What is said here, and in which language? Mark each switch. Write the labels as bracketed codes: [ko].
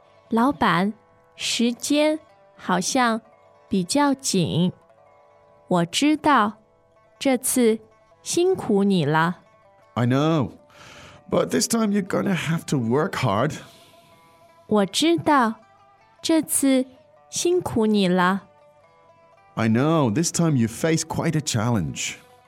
[zh] 老板,时间好像比较紧。我知道,这次辛苦你了。I [en] know, but this time you're gonna have to work hard. [zh] 我知道,这次辛苦你了。I [en] know, this time you face quite a challenge.